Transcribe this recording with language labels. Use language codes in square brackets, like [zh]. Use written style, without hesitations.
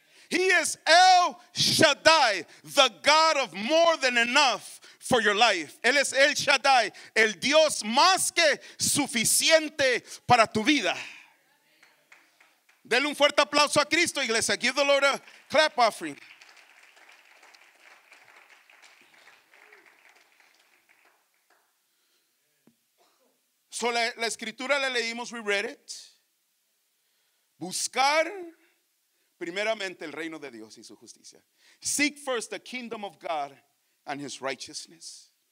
[en] He is El Shaddai, the God of more than enough. For your life. [es] Él es El Shaddai, el Dios más que suficiente para tu vida. Denle un fuerte aplauso a Cristo, iglesia. [en] Give the Lord a clap offering. [es] So la escritura la leímos, [en] we read it. [es] Buscar primeramente el reino de Dios y su justicia. [en] Seek first the kingdom of God and his righteousness.